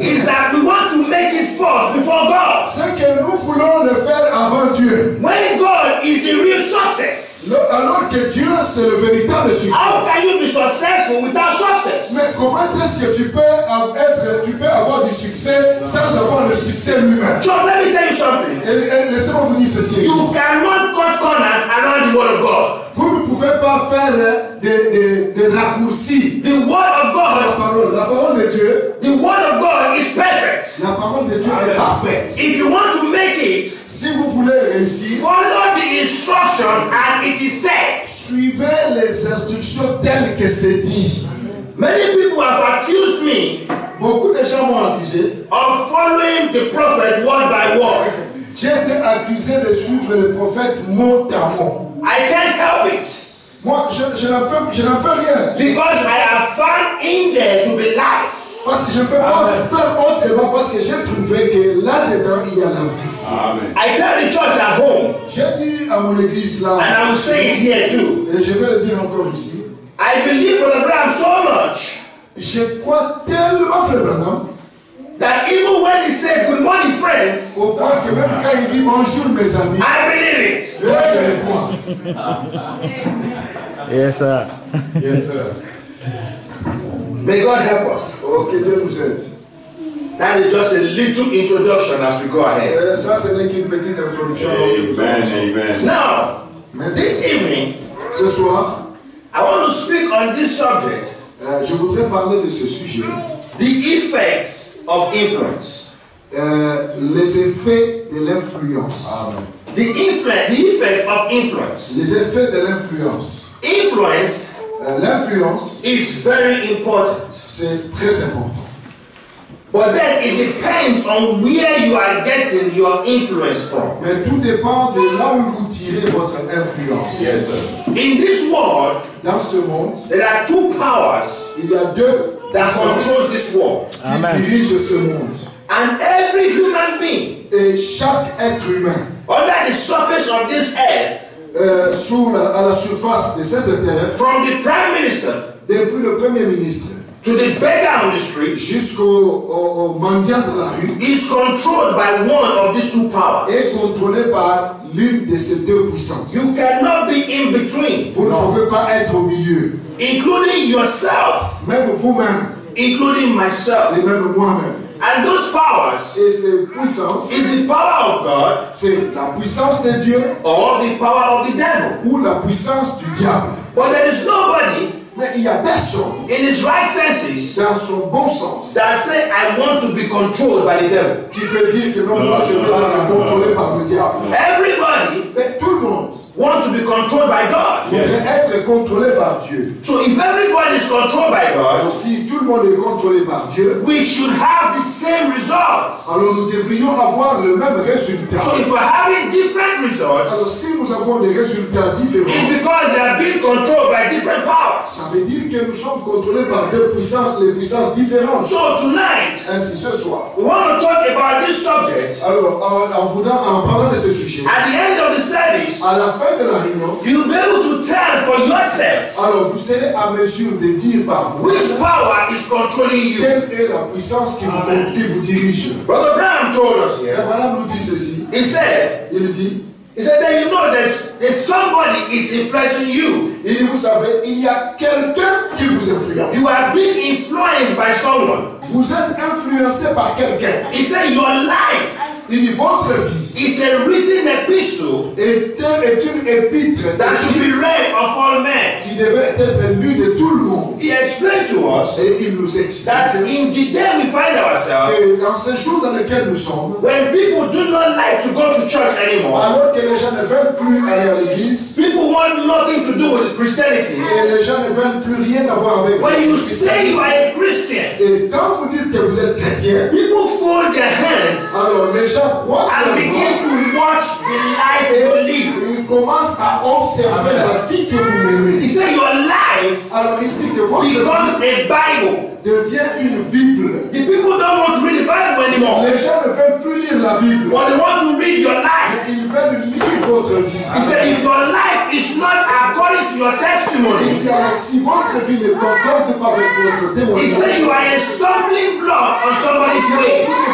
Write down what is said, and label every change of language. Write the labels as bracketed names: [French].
[English] is that we want to make it first before God. [French] C'est que nous voulons le faire avant Dieu. [English] When God is the real success. [French] Alors que Dieu c'est le véritable succès. [English] How can you be successful without success? [French] Mais comment est-ce que tu peux avoir du succès sans avoir le succès lui-même? [English] John, let me tell you something. [French] Et laissez-moi vous dire ceci. [English] You cannot cut corners around the word of God. [French] Vous ne pouvez pas faire de raccourcis. [English] The word of God. [French] La parole de Dieu. [English] The word of God is perfect. [French] La parole de Dieu est parfaite. [English] If you want to make it, [French] si vous voulez réussir, [English] follow the instructions as it is said. [French] Suivez les instructions telles que c'est dit. [English] Many people have accused me. [French] Beaucoup de gens m'ont accusé. [English] Of following the prophet word by word. [French] J'ai été accusé de suivre le prophète mot à mot. [English] I can't help it. [French] Moi, je n'en peux rien. [English] Because I have found in there to be life. [French] Parce que je ne peux pas faire autrement parce que j'ai trouvé que là-dedans il y a la vie. [English] Amen. I tell the church at home. [French] J'ai dit à mon église là. [English] And I will say it here too. [French] Et je vais le dire encore ici. [English] I believe Brother Branham so much. [French] Je crois tellement Frère Branham. [English] That even when he said good morning friends. [French] Au point que même quand il dit bonjour mes amis. [English] I believe it. [French] Là, je le crois. [English] Yes sir. Yes sir. May God help us. [French] Okay, Dieu nous aide. [English] That is just a little introduction as we go ahead. [French] Ça c'est une petite introduction. [English] Amen. Now, this evening, [French] ce soir, [English] I want to speak on this subject. [French] Je voudrais parler de ce sujet. [English] The effects of influence. [French] Les effets de l'influence. [English] Amen. The effect of influence. [French] Les effets de l'influence. [English] Influence. [French] L'influence [English] is very important. [French] C'est très important. [English] But then it depends on where you are getting your influence from. [French] Mais tout dépend de là où vous tirez votre influence. [English] Yes. In this world, [French] dans ce monde, [English] there are two powers. [French] Il y a deux [English] that controls this world. Amen. [French] Qui dirige ce monde. [English] And every human being, [French] et chaque être humain, [English] under the surface of this earth. [French] À la surface de cette terre, [English] from the prime minister, [French] depuis le premier ministre, [English] to the beggar on the street, [French] jusqu'au mendiant de la rue, [English] is controlled by one of these two powers. [French] Est contrôlé par l'une de ces deux puissances. [English] You cannot be in between. [French] Vous ne pouvez pas être au milieu. [English] Including yourself. [French] Même vous-même. [English] Including myself. [French] Et même moi-même. [English] And those powers, [French] et ces puissances, [English] is the power of God, [French] c'est la puissance de Dieu, [English] or the power of the devil, [French] ou la puissance du diable. [English] But there is nobody, [French] mais il y a personne, [English] in his right senses, [French] dans son bon sens, [English] that say I want to be controlled by the devil, [French] qui veut dire que non, moi je veux être contrôlé par le diable. [English] Everybody, [French] mais tout le monde, [English] want to be controlled by God, [French] voudrait être contrôlé par Dieu. [English] So if everybody is controlled by God, [French] alors si tout le monde est contrôlé par Dieu, [English] we should have the same results. [French] Alors nous devrions avoir le même résultat. [English] So if we're having different results, [French] alors si nous avons des résultats différents, [English] it's because they are being controlled by different powers. [French] Ça veut dire que nous sommes contrôlés par deux puissances, les puissances différentes. [English] So tonight, [French] ainsi ce soir, [English] we want to talk about this subject. [French] Alors en parlant de ce sujet, [English] at the end of the service, [French] à la fin de la réunion, [English] you'll be able to tell for yourself. [French] Alors vous serez à mesure de dire par vous. [English] Which power is controlling you? [French] Quelle est la puissance qui vous conduit, qui vous dirige? [English] Brother Bram told us. [French] Yeah. Madame nous dit ceci. [English] He said. [French] Il dit. [English] He said that you know that somebody is influencing you. [French] Il dit, vous savez, il y a quelqu'un qui vous influence. [English] You are being influenced by someone. [French] Vous êtes influencé par quelqu'un. [English] He said your life. [French] Il dit, votre vie. [English] Is a written epistle [French] est une épître [English] that should be read of all men. [French] Qui devrait être lu de tout le monde. [English] He explained to us [French] et il nous explique [English] that in the day we find ourselves, [French] et dans ces jours dans lesquels nous sommes, [English] when people do not like to go to church anymore, [French] alors que les gens ne veulent plus aller à l'église, [English] people want nothing to do with Christianity, [French] et les gens ne veulent plus rien avoir avec [English] when you say you are a Christian, [French] et quand vous dites que vous êtes chrétien, [English] people fold their hands, [French] alors les gens croisent les bras. [English] To watch the life you live. [French] Il commence à observer la vie que vous menez. [English] He said your life. [French] Alors il dit que [English] becomes a Bible. [French] Devient une Bible. [English] The people don't want to read the Bible anymore. [French] Les gens ne veulent plus lire la Bible. [English] But they want to read your life. [French] Mais ils veulent lire votre vie. [English] He said if your life is not according to your testimony. [French] Il dit alors si votre vie ne concorde pas avec votre témoignage. [English] He said you are a stumbling block on somebody's way.